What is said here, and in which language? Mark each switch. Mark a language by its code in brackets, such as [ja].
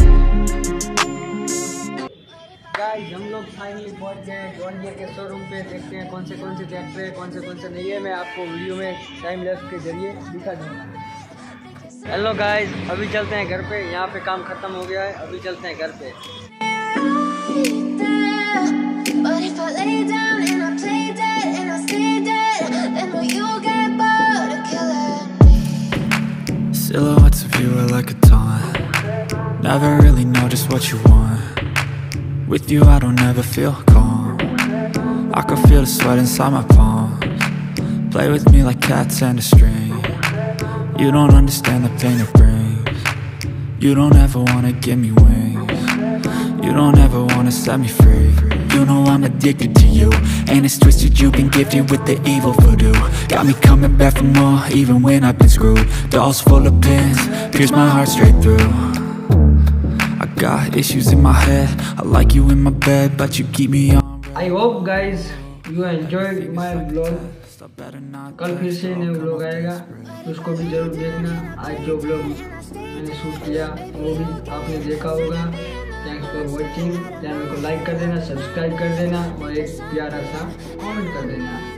[hi] Guys हम लोग finally पहुँच गए जॉनडियर के शोरूम पे, देखते हैं कौन से ट्रैक्टर है, कौन से नहीं है, मैं आपको वीडियो में टाइम लैप्स के जरिए दिखा दूँगा। हेलो गाइस, अभी चलते हैं घर पे, यहाँ पे काम खत्म हो गया है, अभी चलते हैं घर पे। [en] Silhouettes of you are like a taunt, never really know just what you want. With you I don't ever feel calm, I can feel the sweat inside my palms. Play with me like cats and a string, you don't understand the pain it brings. You don't ever wanna give me wings, you don't ever wanna set me free. You know I'm addicted to you, and it's twisted, you've been gifted with the evil voodoo. Got me coming back for more, even when I've been screwed. Dolls full of pins, pierce my heart straight through. I got issues in my head, I like you in my bed, but you keep me on. I hope guys, you enjoyed my vlog. [hi] कल फिर से नया vlog आएगा, उसको भी जरूर देखना। आज जो व्लॉग मैंने शूट किया वो भी आपने देखा होगा, फॉर वॉचिंग, चैनल को लाइक कर देना, सब्सक्राइब कर देना और एक प्यारा सा कमेंट कर देना।